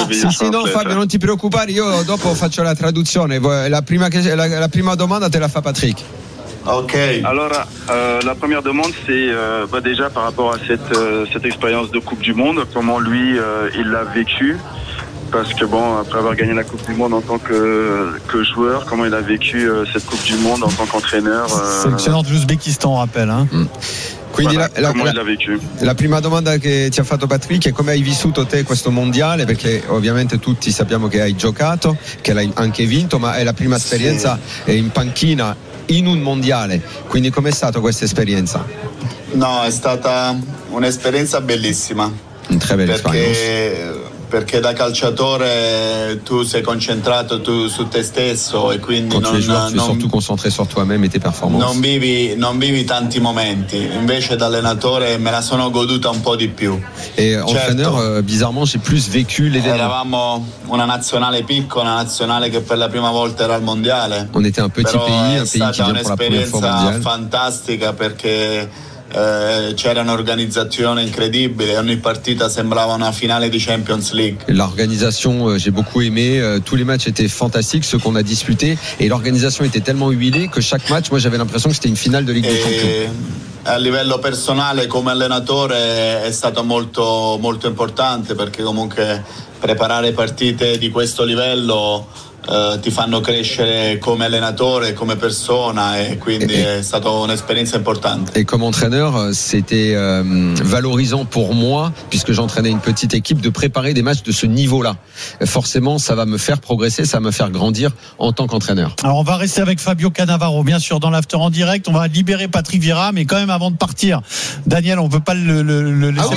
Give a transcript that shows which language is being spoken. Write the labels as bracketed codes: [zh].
[it] Sì, no Fabio, non ti preoccupare, io dopo faccio la traduzione. La prima domanda te la fa Patrick. Ok. [fr] Alors, la première demande, c'est déjà par rapport à cette expérience de Coupe du Monde, comment lui, il l'a vécu. Parce que bon, après avoir gagné la Coupe du Monde en tant que joueur, comment il a vécu cette Coupe du Monde en tant qu'entraîneur. Sélectionneur de l'Ouzbékistan, on rappelle. Hein. Quindi voilà, comment il l'a vécu. [it] La prima domanda che ti ha fatto Patrick è come hai vissuto te questo mondiale, perché ovviamente tutti sappiamo che hai giocato, che l'hai anche vinto, ma è la prima esperienza in panchina in un mondiale, quindi com'è stata questa esperienza? No, è stata un'esperienza bellissima. [fr] Très belle expérience. [it] Perché da calciatore tu sei concentrato su te stesso e quindi [fr] quand tu es joueur, tu es surtout concentré sur toi-même et tes performances. [it] Non vivi tanti momenti, invece da allenatore me la sono goduta un po' di più. [fr] Et certo, entraîneur, bizarrement, j'ai plus vécu l'événement. [it] Eravamo una nazionale piccola, una nazionale che per la prima volta era al mondiale. [fr] On était un petit [it] Però [fr] pays, un pays qui vient pour la première fois au mondiale. [it] Però è stata un'esperienza fantastica perché c'era un'organizzazione incredibile, ogni partita sembrava una finale di Champions League. [fr] L'organisation, j'ai beaucoup aimé, tous les matchs étaient fantastiques, ceux qu'on a disputés, et l'organisation était tellement huilée que chaque match, moi j'avais l'impression que c'était une finale de Ligue des Champions. [it] A livello personale, come allenatore, è stato molto, molto importante perché comunque preparare partite di questo livello ti fanno crescere come allenatore, come persona, e quindi è stata un'esperienza importante. [fr] Et comme entraîneur, c'était valorisant pour moi, puisque j'entraînais une petite équipe, de préparer des matchs de ce niveau-là. Forcément, ça va me faire progresser, ça va me faire grandir en tant qu'entraîneur. Alors, on va rester avec Fabio Cannavaro, bien sûr, dans l'after en direct. On va libérer Patrick Vieira, mais quand même, avant de partir, Daniel, on ne peut pas le laisser